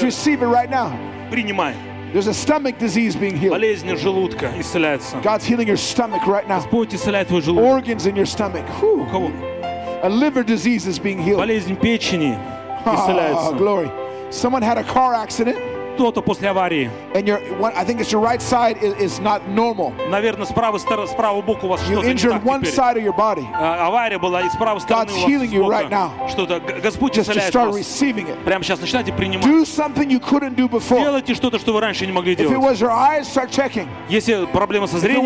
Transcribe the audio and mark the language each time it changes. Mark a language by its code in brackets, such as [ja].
[en] Just receive it right now. [ru] Принимай. [en] There's a stomach disease being healed. [ru] Болезнь желудка исцеляется. [en] God's healing your stomach right now. [ru] Господь исцеляет твой желудок. [en] Organs in your stomach. Whew. A liver disease is being healed. [ru] Болезнь печени исцеляется. [en] Oh, glory. Someone had a car accident. [ru] Кто-то после аварии. [en] And your, I think it's your right side is not normal. [ru] Наверное, справа бок у вас что-то. [en] You injured [ru] не так [en] one [ru] теперь. [en] Side of your body. [ru] Авария была, и с правой стороны. [en] God's healing you right now. [ru] Что-то Господь исцеляет вас. [en] Just start receiving it. [ru] Прямо сейчас начинайте принимать. [en] Do something you couldn't do before. [ru] Делайте что-то, что вы раньше не могли делать. [en] If it was your eyes, start checking. [ru] Если проблема со зрением.